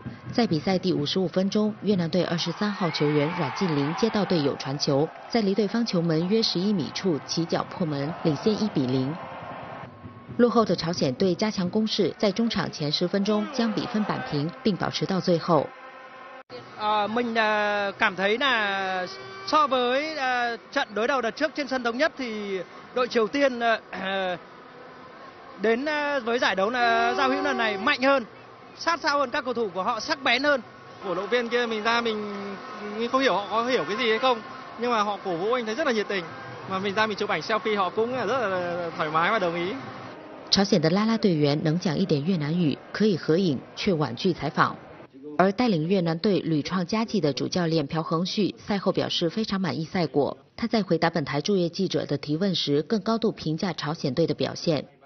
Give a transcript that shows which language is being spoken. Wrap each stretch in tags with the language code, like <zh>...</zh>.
<zh>在比赛第55分钟，越南队23号球员阮晋林接到队友传球，在离对方球门约11米处起脚破门，领先1-0。落后的朝鲜队加强攻势，在中场前10分钟将比分扳平，并保持到最后。</zh> <vi>mình cảm thấy là so với trận đối đầu đợt trước trên sân Đồng Nhất thì đội Triều Tiên đến với giải đấu giao hữu lần này mạnh hơn, sát sao hơn, các cầu thủ của họ sắc bén hơn. Cổ động viên kia mình ra mình không hiểu họ có hiểu cái gì hay không, nhưng mà họ cổ vũ anh thấy rất là nhiệt tình, mà mình ra mình chụp ảnh selfie họ cũng rất là thoải mái và đồng ý.</vi> <zh>朝鲜的拉拉队员能讲一点越南语，可以合影，却婉拒采访。而带领越南队屡创佳绩的主教练朴恒旭赛后表示非常满意赛果，他在回答本台驻越记者的提问时更高度评价朝鲜队的表现。</zh>